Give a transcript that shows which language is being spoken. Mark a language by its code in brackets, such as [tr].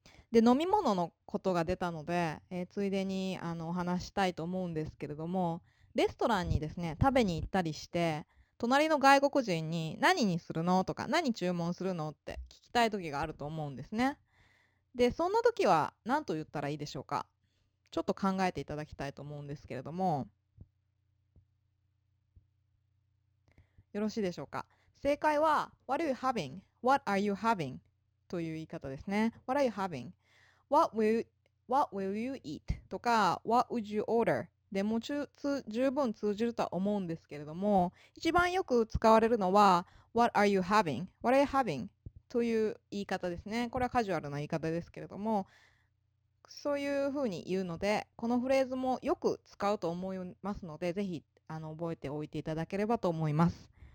[ja] で、飲み物のことが出たので、ついでにお話したいと思うんですけれども、レストランにですね、食べに行ったりして、隣の外国人に何にするのとか、何注文するのって聞きたい時があると思うんですね。で、そんな時は何と言ったらいいでしょうか。ちょっと考えていただきたいと思うんですけれども、よろしいでしょうか。正解は、 [en] What are you having? What are you having? [ja] という言い方ですね。 [en] What are you having? What will you eat? とか、What would you order? [ja] でも、十分通じるとは思うんですけれども、一番よく使われるのは、 [en] What are you having? What are you having? [ja] という言い方ですね。これはカジュアルな言い方ですけれども、そういうふうに言うので、このフレーズもよく使うと思いますので、ぜひ覚えておいていただければと思います。